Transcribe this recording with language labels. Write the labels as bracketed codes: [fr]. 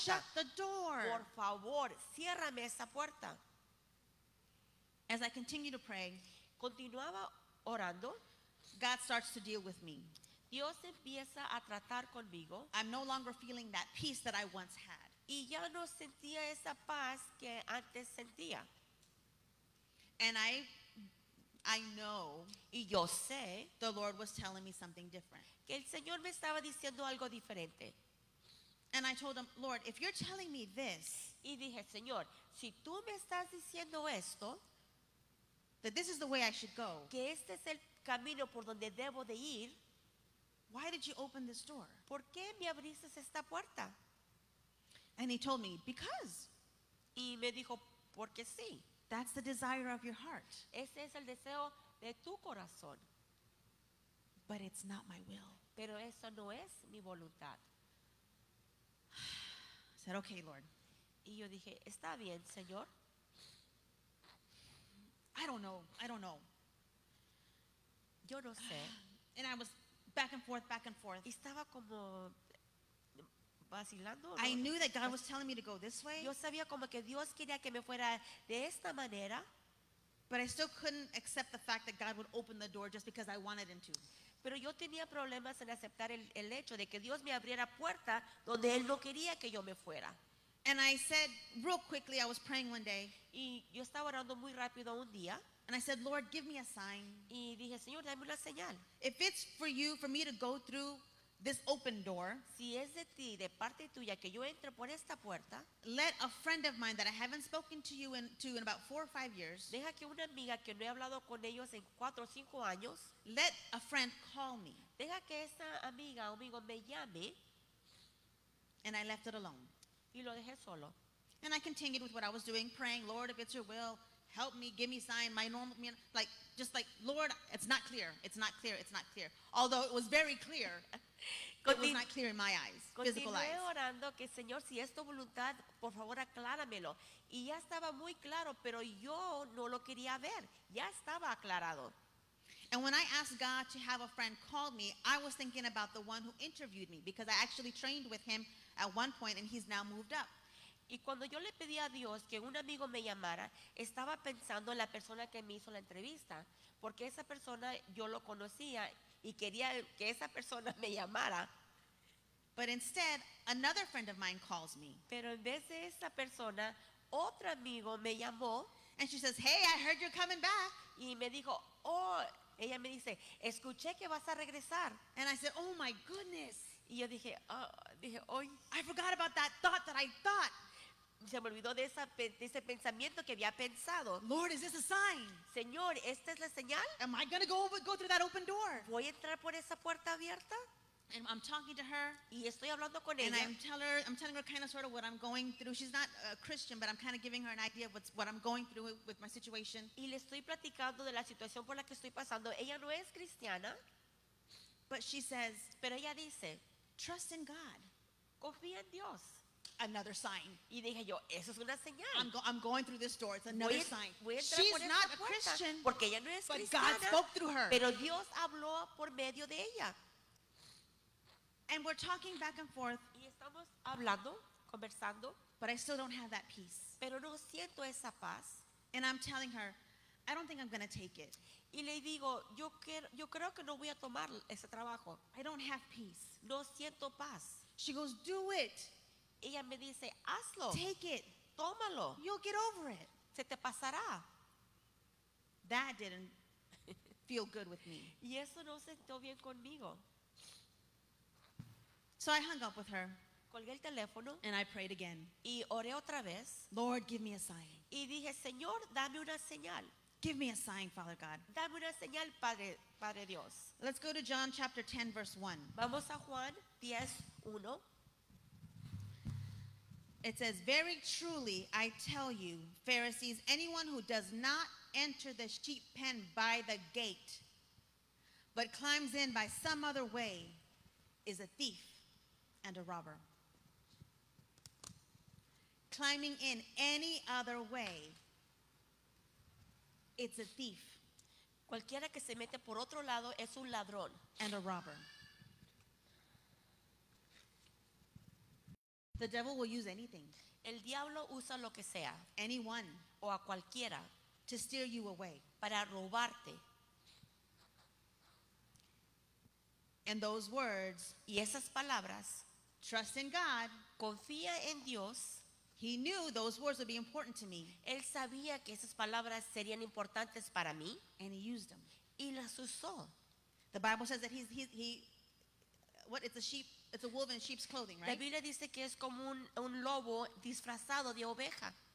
[en] Shut the door. [es] Por favor, ciérrame esa puerta. [en] As I continue to pray, [es] continuaba orando, [en] God starts to deal with me. [es] Dios empieza a tratar conmigo. [en] I'm no longer feeling that peace that I once had. [es] Y ya no sentía esa paz que antes sentía. [en] And I know, [es] y yo sé, [en] the Lord was telling me something different. [es] Que el Señor me estaba diciendo algo diferente. [en] And I told him, Lord, if you're telling me this, [es] y dije, Señor, si tú me estás diciendo esto, [en] that this is the way I should go, [es] que este es el camino por donde debo de ir, [en] why did you open this door? [es] ¿Por qué me abriste esta puerta? [en] And he told me, because. [es] Y me dijo, porque sí. [en] That's the desire of your heart. [es] Ese es el deseo de tu corazón. [en] But it's not my will. [es] Pero eso no es mi voluntad. [en] I said, okay, Lord. [es] Y yo dije, está bien, Señor. [en] I don't know. [es] Yo no sé. [en] And I was back and forth. [es] Estaba como vacilando. [en] I knew that God was telling me to go this way. [es] Yo sabía como que Dios quería que me fuera de esta manera. [en] But I still couldn't accept the fact that God would open the door just because I wanted Him to. [es] Pero yo tenía problemas en aceptar el hecho de que Dios me abriera puerta donde Él no quería que yo me fuera. [en] And I said, real quickly, I was praying one day. [es] Y yo estaba orando muy rápido un día. [en] And I said, Lord, give me a sign. [es] Y dije, Señor, dame una señal. [en] If it's for you, for me to go through this open door, [es] si es de ti, de parte tuya, que yo entre por esta puerta, [en] let a friend of mine that I haven't spoken to you in about 4 or 5 years, [es] deja que una amiga que no he hablado con ellos en 4 o 5 años, [en] let a friend call me. [es] Deja que esta amiga o amigo me llame. [en] And I left it alone. [es] Y lo dejé solo. [en] And I continued with what I was doing, praying, Lord, if it's your will, help me, give me a sign, my normal, like, just like, Lord, it's not clear. Although it was very clear, it was not clear in my eyes, physical eyes. [es] Continué orando que, Señor, si es tu voluntad, por favor, acláramelo. Y ya estaba muy claro, pero yo no lo quería ver. Ya estaba aclarado. [en] And when I asked God to have a friend call me, I was thinking about the one who interviewed me, because I actually trained with him at one point, and he's now moved up. [es] Y cuando yo le pedí a Dios que un amigo me llamara, estaba pensando en la persona que me hizo la entrevista, porque esa persona yo lo conocía y quería que esa persona me llamara. [en] But instead, another friend of mine calls me. [es] Pero en vez de esa persona, otro amigo me llamó. [en] And she says, "Hey, I heard you're coming back." [es] Y me dijo, "Oh," ella me dice, "Escuché que vas a regresar." [en] And I said, "Oh my goodness." [es] Y yo dije, "Oh, [en] I forgot about that thought that I thought." [es] Se me olvidó de ese pensamiento que había pensado. [en] Lord, is this a sign? [es] Señor, ¿esta es la señal? [en] Am I going to go through that open door? [es] ¿Voy a entrar por esa puerta abierta? [en] And I'm talking to her. [es] Y estoy hablando con ella. [en] And I'm telling her kind of sort of what I'm going through. She's not a Christian, but I'm kind of giving her an idea of what I'm going through with my situation. [es] Y le estoy platicando de la situación por la que estoy pasando. Ella no es cristiana. [en] But she says, [es] pero ella dice, [en] trust in God. [es] Confía en Dios. [en] Another sign. [es] Y dije yo, eso es una señal. [en] I'm going through this door. It's another sign. She's not a Christian. [es] Porque ella no es cristiana. [en] But God spoke through her. [es] Pero Dios habló por medio de ella. [en] And we're talking back and forth. [es] Y estamos hablando, conversando. [en] But I still don't have that peace. [es] Pero no siento esa paz. [en] And I'm telling her, I don't think I'm going to take it. [es] Y le digo, yo creo que no voy a tomar ese trabajo. [en] I don't have peace. [es] No siento paz. [en] She goes, do it. [es] Ella me dice, hazlo. [en] Take it. [es] Tómalo. [en] You'll get over it. [es] Se te pasará. [en] That didn't feel good with me. [es] Y eso no sentó bien conmigo. [en] So I hung up with her. [es] Colgué el teléfono. [en] And I prayed again. [es] Y oré otra vez. [en] Lord, give me a sign. [es] Y dije, Señor, dame una señal. [en] Give me a sign, Father God. [es] Dame una señal, Padre Dios. [en] Let's go to John chapter 10, verse 1. [es] Vamos a Juan 10, 1. [en] It says, very truly I tell you, Pharisees, anyone who does not enter the sheep pen by the gate, but climbs in by some other way, is a thief and a robber. Climbing in any other way, it's a thief. [es] Cualquiera que se mete por otro lado es un ladrón. [en] And a robber. The devil will use anything. [es] El diablo usa lo que sea. [en] Anyone. [es] O a cualquiera. [en] To steer you away. [es] Para robarte. [en] And those words, [es] y esas palabras, [en] trust in God, [es] confía en Dios, [en] he knew those words would be important to me. [es] Él sabía que esas palabras serían importantes para mí. [en] And he used them. [es] Y las usó. [en] The Bible says that it's a sheep, it's a wolf in sheep's clothing, right? [es] La Biblia dice que es como un lobo disfrazado de oveja.